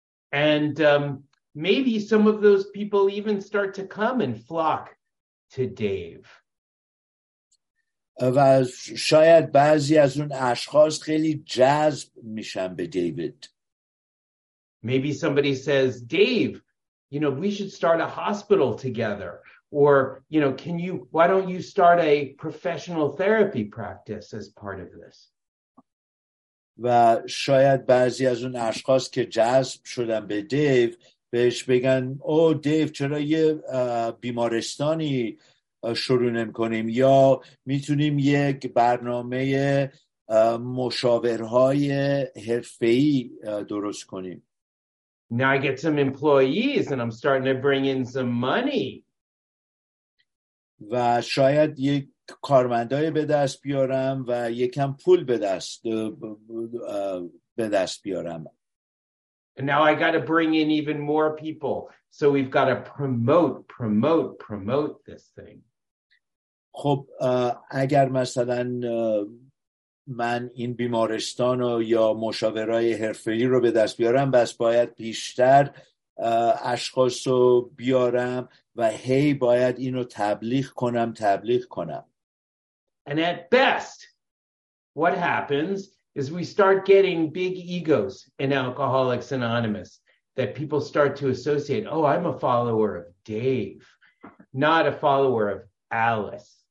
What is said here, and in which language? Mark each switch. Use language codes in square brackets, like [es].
[en] And maybe some of those people even start to come and flock to Dave. [fa] و شاید بعضی از اون اشخاص خیلی جذب میشن به دیوید. [en] Maybe somebody says, Dave, you know, we should start a hospital together. Or, you know, can you, why don't you start a professional therapy practice as part of this? [fa] و شاید بعضی از اون اشخاص که جذب شدن به دیو بهش بگن, oh, Dave, چرا یه بیمارستانی شروع نمی‌کنیم, یا میتونیم یک برنامه مشاورهای حرفه‌ای درست کنیم. [en] Now I get some employees and I'm starting to bring in some money. [fa] و شاید یک کارمندای به دست بیارم و یکم پول به دست بیارم. [en] And now I got to bring in even more people. So we've got to promote this thing. [fa] خب اگر مثلا من این بیمارستان و یا مشاورای حرفه‌ای رو به دست بیارم, بس باید بیشتر اشخاص رو بیارم و هی باید اینو تبلیغ کنم. [en] And at best what happens is we start getting big egos in Alcoholics Anonymous that people start to associate, oh, I'm a follower of Dave, not a follower of Alice.